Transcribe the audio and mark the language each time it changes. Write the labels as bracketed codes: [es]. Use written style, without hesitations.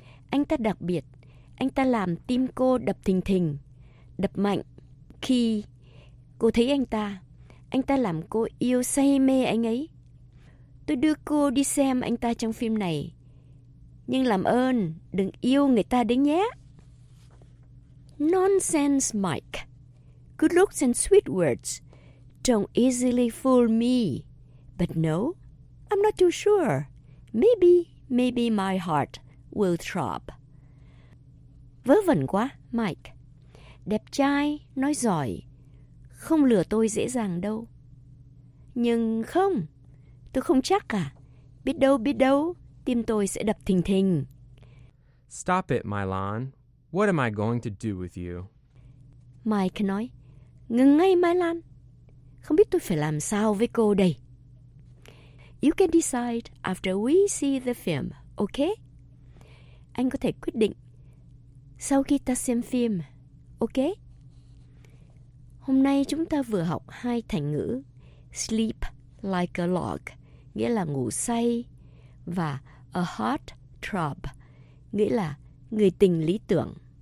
[vi] Anh ta đặc biệt, anh ta làm tim cô đập thình thình, đập mạnh. Khi cô thấy anh ta làm cô yêu say mê anh ấy. Tôi đưa cô đi xem anh ta trong phim này. Nhưng làm ơn, đừng yêu người ta đấy nhé. [en] Nonsense, Mike. Good looks and sweet words don't easily fool me. But no, I'm not too sure. Maybe, maybe my heart will throb. [vi] Vớ vẩn quá, Mike. Đẹp trai, nói giỏi, không lừa tôi dễ dàng đâu. Nhưng không, tôi không chắc cả. Biết đâu, tim tôi sẽ đập thình thình. [en] Stop it, Mylon. What am I going to do with you? [vi] Mike nói, ngừng ngay, Mylon. Không biết tôi phải làm sao với cô đây. [en] You can decide after we see the film, okay? [vi] Anh có thể quyết định sau khi ta xem phim, ok? Hôm nay chúng ta vừa học hai thành ngữ [en] sleep like a log, [vi] nghĩa là ngủ say, và a heartthrob, nghĩa là người tình lý tưởng.